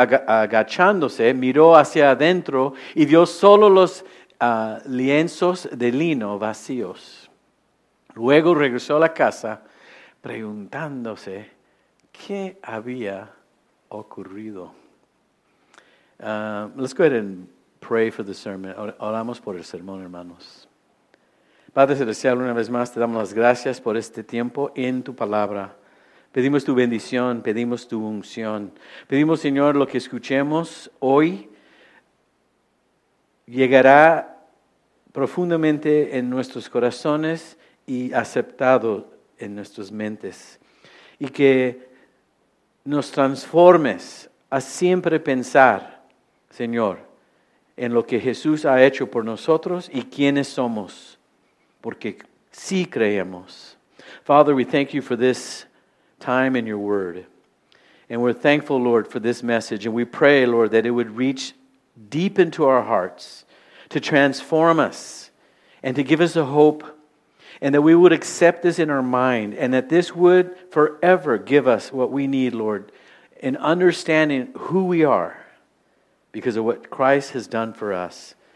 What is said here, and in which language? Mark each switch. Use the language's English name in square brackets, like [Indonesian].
[Spanish] Agachándose, miró hacia adentro y vio solo los lienzos de lino vacíos. Luego regresó a la casa preguntándose qué había ocurrido. [English] Let's go ahead and pray for the sermon. [Spanish] Oramos por el sermón, hermanos. Padre Celestial, una vez más te damos las gracias por este tiempo en tu palabra. Pedimos tu bendición, pedimos tu unción. Pedimos, Señor, lo que escuchemos hoy llegará profundamente en nuestros corazones y aceptado en nuestras mentes. Y que nos transformes a siempre pensar, Señor, en lo que Jesús ha hecho por nosotros y quiénes somos. Porque sí creemos. [English] Father, we thank you for this time in your word. And we're thankful, Lord, for this message. And we pray, Lord, that it would reach deep into our hearts to transform us and to give us a hope. And that we would accept this in our mind. And that this would forever give us what we need, Lord, in understanding who we are because of what Christ has done for us.